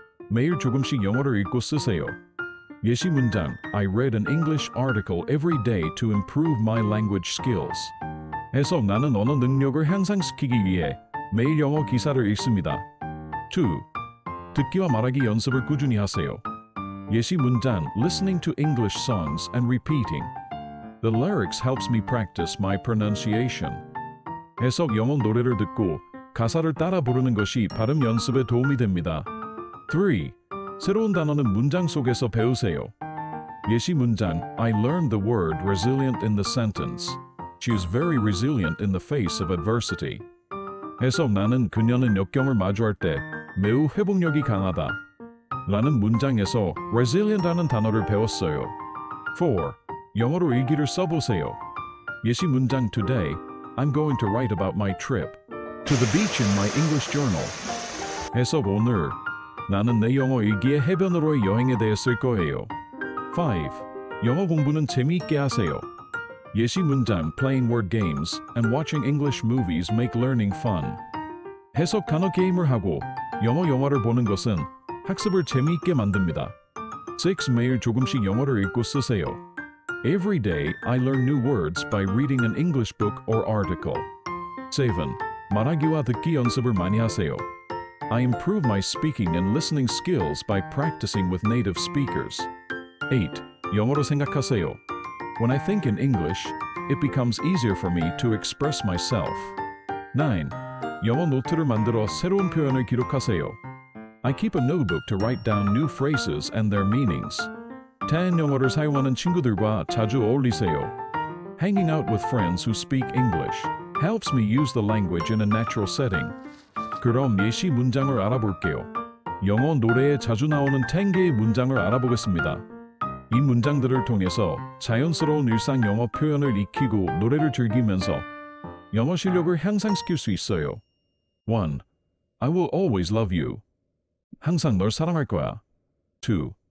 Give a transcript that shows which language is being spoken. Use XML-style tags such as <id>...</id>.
<ko>매일 조금씩 영어를 읽고 쓰세요. 예시 문장,</ko> <en>I read an English article every day to improve my language skills.</en> <ko>해서 나는 언어 능력을 향상시키기 위해 매일 영어 기사를 읽습니다. 2. 듣기와 말하기 연습을 꾸준히 하세요. 예시 문장,</ko> <en>listening to English songs and repeating. The lyrics helps me practice my pronunciation.</en> <ko>해서 영어 노래를 듣고 가사를 따라 부르는 것이 발음 연습에 도움이 됩니다. 3. 새로운 단어는 문장 속에서 배우세요. 예시 문장,</ko> <en>I learned the word resilient in the sentence. She is very resilient in the face of adversity.</en> <ko>해서 나는 그녀는 역경을 마주할 때 매우 회복력이 강하다 라는 문장에서 resilient라는 단어를 배웠어요. 4. 영어로 일기를 써보세요. 예시 문장,</ko> <en>Today, I'm going to write about my trip to the beach in my English journal.</en> <ko>해서 오늘 나는 내 영어 일기에 해변으로의 여행에 대해 쓸 거예요. 5. 영어 공부는 재미있게 하세요. 예시 문장,</ko> <en>playing word games and watching English movies make learning fun.</en> <ko>해석 단어 게임을 하고 영어 영화를 보는 것은 학습을 재미있게 만듭니다. 6. 매일 조금씩 영어를 읽고 쓰세요.</ko> <en>Every day, I learn new words by reading an English book or article. 7.</en> <ko>말하기와 듣기 연습을 많이 하세요.</ko> <en>I improve my speaking and listening skills by practicing with native speakers.</en> <ko>8. 영어로 생각하세요.</ko> <en>When I think in English, it becomes easier for me to express myself.</en> <ko>9. 영어 노트를 만들어 새로운 표현을 기록하세요.</ko> <en>I keep a notebook to write down new phrases and their meanings.</en> <ko>10. 영어를 사용하는 친구들과 자주 어울리세요.</ko> <en>Hanging out with friends who speak English helps me use the language in a natural setting.</en> <ko>그럼 예시 문장을 알아볼게요. 영어 노래에 자주 나오는 10개의 문장을 알아보겠습니다. 이 문장들을 통해서 자연스러운 일상 영어 표현을 익히고 노래를 즐기면서 영어 실력을 향상시킬 수 있어요.</ko> <en>1. I will always love you.</en> <ko>항상 널 사랑할 거야.</ko> <en>2.</en>